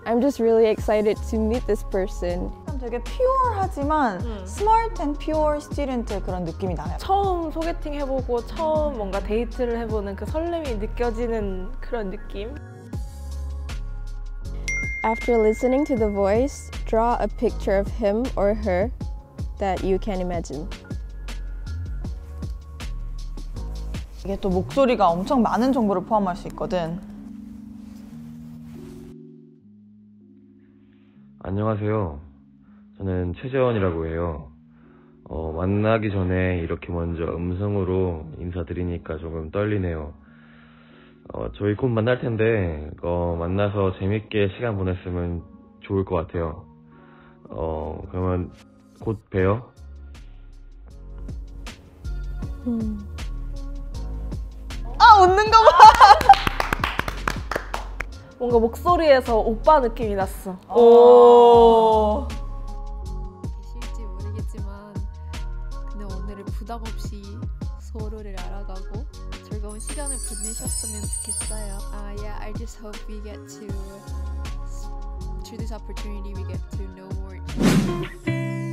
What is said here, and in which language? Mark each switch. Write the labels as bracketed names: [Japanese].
[English] I'm just really excited to meet this person. [Korean] 되게 퓨어하지만 [English] smart and pure student [Korean] 그런 느낌이 나요. 처음 소개팅 해보고 처음 뭔가 데이트를 해보는 그 설렘이 느껴지는 그런 느낌. [English] After listening to the voice, draw a picture of him or her that you can imagine. [Korean] 이게 또 목소리가 엄청 많은 정보를 포함할 수 있거든. 안녕하세요. 저는 최재원이라고 해요. 만나기 전에 이렇게 먼저 음성으로 인사드리니까 조금 떨리네요. 저희 곧 만날 텐데 만나서 재밌게 시간 보냈으면 좋을 것 같아요. 그러면 곧 봬요. 아, 웃는 거 봐! 뭔가 목소리에서 오빠 느낌이 났어. 오. 부담 없이 서로를 알아가고 즐거운 시간을 보내셨으면 좋겠어요. [English] Yeah, I just hope we get to this opportunity, we get to know more.